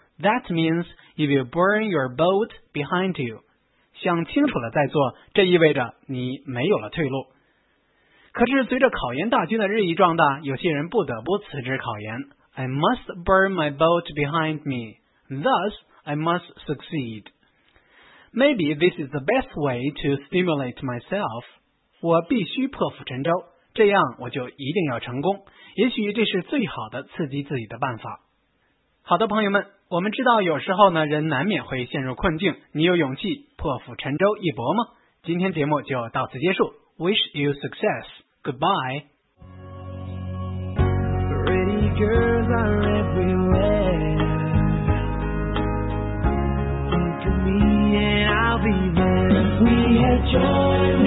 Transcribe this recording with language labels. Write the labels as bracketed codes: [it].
[en] That means you will burn your boat behind you. [zh] 想清楚了再做，这意味着你没有了退路。可是随着考研大军的日益壮大，有些人不得不辞职考研。 [en] I must burn my boat behind me, thus I must succeed. Maybe this is the best way to stimulate myself. [zh] 我必须破釜沉舟，这样我就一定要成功，也许这是最好的刺激自己的办法。好的，朋友们，我们知道有时候呢，人难免会陷入困境，你有勇气破釜沉舟一搏吗？今天节目就到此结束。 [en] Wish you success. Goodbye. Pretty girls are everywhere. Think of me and I'll be there. We had joy.